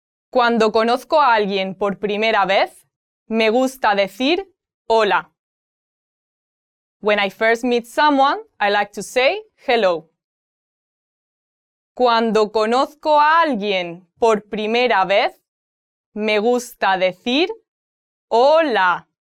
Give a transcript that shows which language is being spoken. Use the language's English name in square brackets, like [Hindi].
[Spanish] Cuando conozco a alguien por primera vez, me gusta decir hola. [English] When I first meet someone, I like to say hello. [Spanish] Cuando conozco a alguien por primera vez, me gusta decir hola.